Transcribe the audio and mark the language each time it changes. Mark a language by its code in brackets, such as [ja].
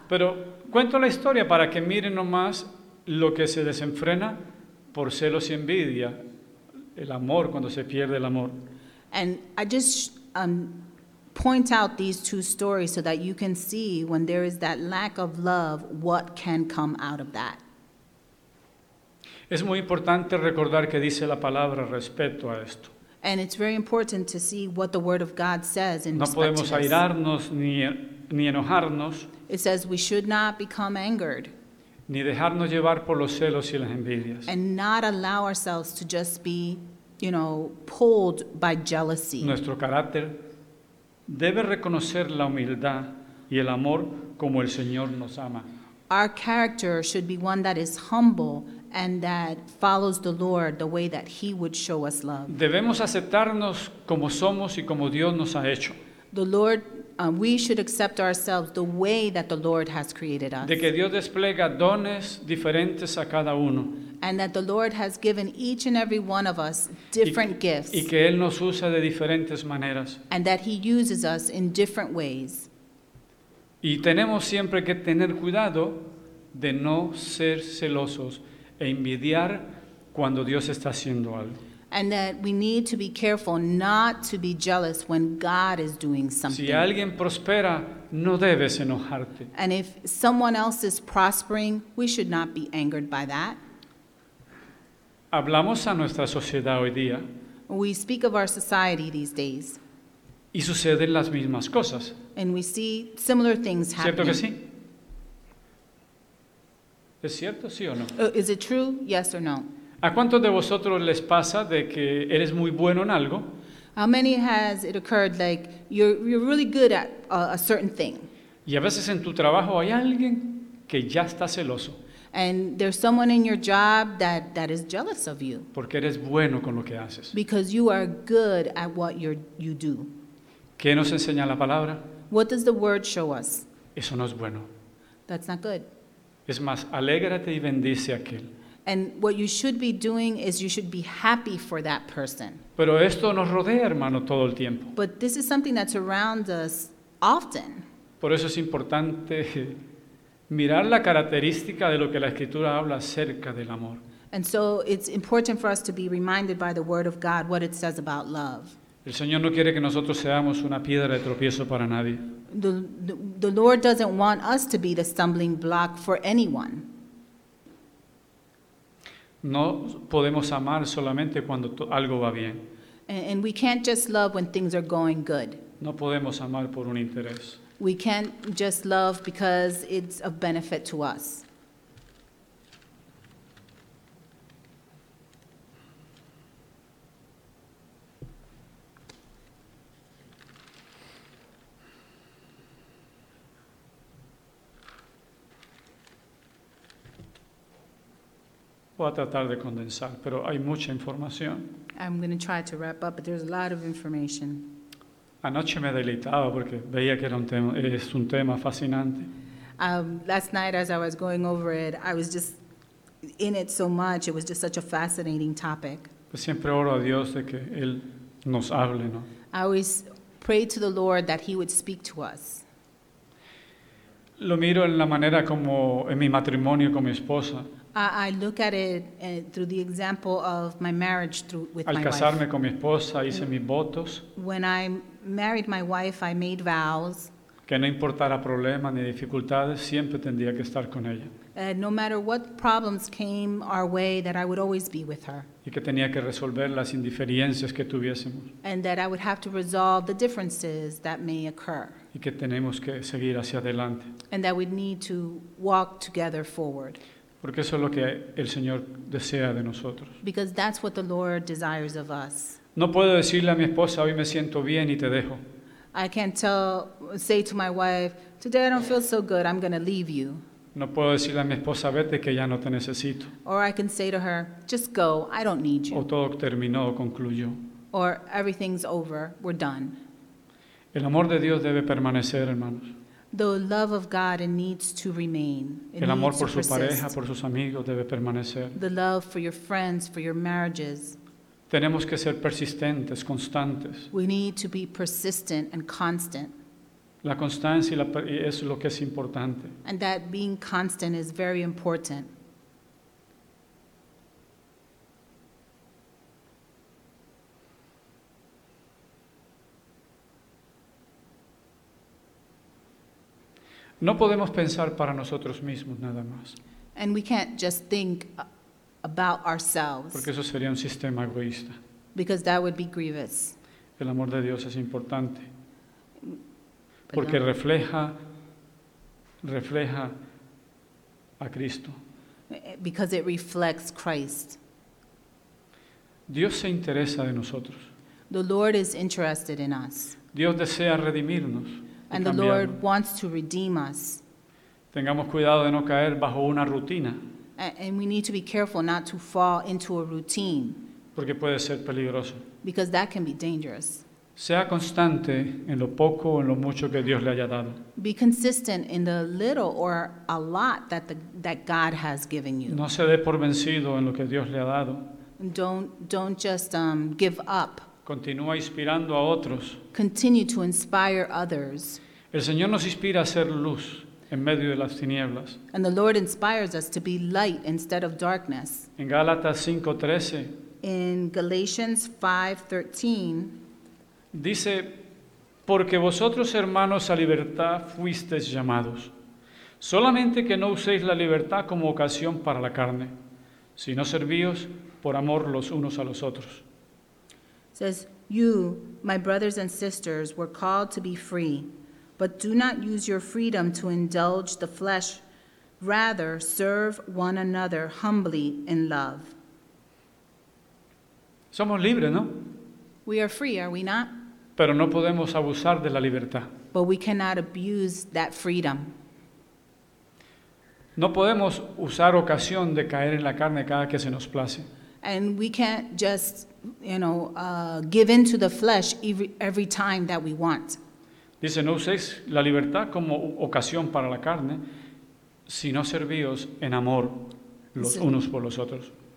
[es] Pero cuento la historia para que miren nomás lo que se desenfrena por celos y envidia, el amor cuando se pierde el amor. [en] And I just point out these two stories so that you can see when there is that lack of love, what can come out of that. [es] Es muy importante recordar que dice la palabra respecto a esto. [en] And it's very important to see what the word of God says in respect to this. [es] No podemos airarnos ni enojarnos. [en] It says we should not become angered. [es] Ni dejarnos llevar por los celos y las envidias. [en] And not allow ourselves to just be, you know, pulled by jealousy. [es] Nuestro carácter debe reconocer la humildad y el amor como el Señor nos ama. [en] Our character should be one that is humble and that follows the Lord the way that He would show us love. [es] Debemos aceptarnos como somos y como Dios nos ha hecho. [en] The Lord, we should accept ourselves the way that the Lord has created us. [es] De que Dios despliega dones diferentes a cada uno. [en] And that the Lord has given each and every one of us different gifts. [es] Y que Él nos usa de diferentes maneras. [en] And that He uses us in different ways. [es] Y tenemos siempre que tener cuidado de no ser celosos e envidiar cuando Dios está haciendo algo. [en] And that we need to be careful not to be jealous when God is doing something. [es] Si alguien prospera, no debes enojarte. [en] And if someone else is prospering, we should not be angered by that. [es] Hablamos a nuestra sociedad hoy día. [en] We speak of our society these days. [es] Y suceden las mismas cosas. [en] And we see similar things happening. [es] ¿Cierto que sí? ¿Es cierto, sí o no? [en] Is it true? Yes or no? [es] ¿A cuántos de vosotros les pasa de que eres muy bueno en algo? [en] How many has it occurred like you're really good at a certain thing? [es] Y a veces en tu trabajo hay alguien que ya está celoso. [en] And there's someone in your job that is jealous of you. [es] Porque eres bueno con lo que haces. [en] Because you are good at what you do. [es] ¿Qué nos enseña la palabra? [en] What does the word show us? [es] Eso no es bueno. [en] That's not good. [es] Es más, alégrate y bendice a aquel. [en] And what you should be doing is you should be happy for that person. [es] Pero esto nos rodea, hermano, todo el tiempo. [en] But this is something that surrounds us often. [es] Por eso es importante mirar la característica de lo que la Escritura habla acerca del amor. [en] And so it's important for us to be reminded by the Word of God what it says about love. [es] El Señor no quiere que nosotros seamos una piedra de tropiezo para nadie. [en] The Lord doesn't want us to be the stumbling block for anyone. [es] No podemos amar solamente cuando algo va bien. [en] And we can't just love when things are going good. [es] No podemos amar por un interés. [en] We can't just love because it's of benefit to us. [es] Voy a tratar de condensar, pero hay mucha información. [en] I'm going to try to wrap up, but there's a lot of information. [es] Anoche me deleitaba porque veía que es un tema fascinante. [en] Last night as I was going over it, I was just in it so much. It was just such a fascinating topic. [es] Pues siempre oro a Dios de que Él nos hable, ¿no? [en] I always pray to the Lord that He would speak to us. [es] Lo miro en la manera como en mi matrimonio con mi esposa. [en] I look at it through the example of my marriage with my wife. [es] Al casarme con mi esposa, hice mis votos. [en] When I married my wife, I made vows. [es] Que no importara problemas ni dificultades, siempre tendría que estar con ella. [en] No matter what problems came our way, that I would always be with her. [es] Y que tenía que resolver las indiferencias que tuviésemos. [en] And that I would have to resolve the differences that may occur. [es] Y que tenemos que seguir hacia adelante. [en] And that we need to walk together forward. [es] Porque eso es lo que el Señor desea de nosotros. [en] Because that's what the Lord desires of us. [es] No puedo decirle a mi esposa, hoy me siento bien y te dejo. [en] I can't say to my wife, today I don't feel so good, I'm going to leave you. [es] No puedo decirle a mi esposa, vete que ya no te necesito. [en] Or I can say to her, just go, I don't need you. [es] O todo terminó, concluyó. [en] Or everything's over, we're done. [es] El amor de Dios debe permanecer, hermanos. [en] The love of God, it needs to remain. It [es] El amor por su pareja, por sus amigos, debe permanecer. [en] The love for your friends, for your marriages. [es] Tenemos que ser persistentes, constantes. [en] We need to be persistent and constant. [es] La constancia es lo que es importante. [en] And that being constant is very important. [es] No podemos pensar para nosotros mismos nada más. [en] And we can't just think about ourselves. [es] Porque eso sería un sistema egoísta. [en] Because that would be grievous. [es] El amor de Dios es importante. Porque refleja a Cristo. [en] Because it reflects Christ. [es] Dios se interesa de nosotros. [en] The Lord is interested in us. [es] Dios desea redimirnos. [en] And the Lord wants to redeem us. [es] Tengamos cuidado de no caer bajo una rutina. [en] And we need to be careful not to fall into a routine. [es] Porque puede ser peligroso. [en] Because that can be dangerous. [es] Sea constante en lo poco o en lo mucho que Dios le haya dado. [en] Be consistent in the little or a lot that God has given you. [es] No se dé por vencido en lo que Dios le ha dado. [en] Don't just give up. [es] Continúa inspirando a otros. [en] Continue to inspire others. [es] El Señor nos inspira a ser luz en medio de las tinieblas. [en] And the Lord inspires us to be light instead of darkness. [es] En Gálatas 5:13. [en] In Galatians 5:13. [es] Dice, porque vosotros, hermanos, a libertad fuisteis llamados. Solamente que no uséis la libertad como ocasión para la carne, sino servíos por amor los unos a los otros. [en] It says, you, my brothers and sisters, were called to be free, but do not use your freedom to indulge the flesh. Rather, serve one another humbly in love. [es] Somos libres, ¿no? [en] We are free, are we not? [es] Pero no podemos abusar de la libertad. [en] But we cannot abuse that freedom. [es] No podemos usar ocasión de caer en la carne cada que se nos place. [en] And we can't just, you know, give in to the flesh every time that we want. [es] Dice, no uséis la libertad como ocasión para la carne, sino servíos en amor los unos por los otros.